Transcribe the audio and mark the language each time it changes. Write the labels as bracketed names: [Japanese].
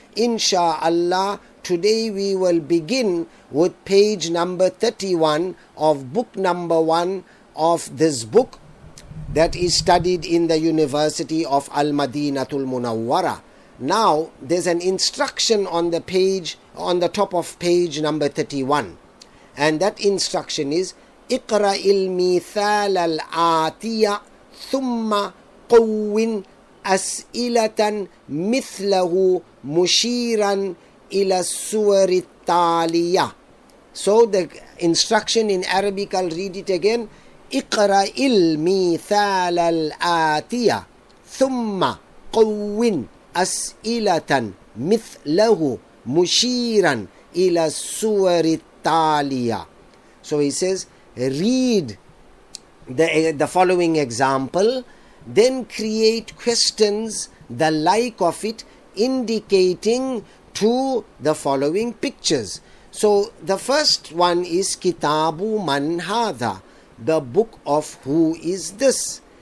[English] Insha'Allah, today we will begin with page number 31 of book number 1 of this book that is studied in the University of Al-Madinatul Munawwara. Now, there's an instruction on the page, on the top of page number 31. And that instruction is, [Arabic] اقرأ المثال الآتي ثم قوّن أسئلة مثله مشيرا إلى السور التالية. [English] So the instruction in Arabic, I'll read it again. [Arabic] اقرأ المثال الآتي ثم قوّن أسئلة مثله مشيرا إلى السور التالية. [English] So he says, read the following example, then create questions the like of it, indicating to the following pictures. So the first one is [Arabic] Kitabu Man Hadha, [English] the book of who is this?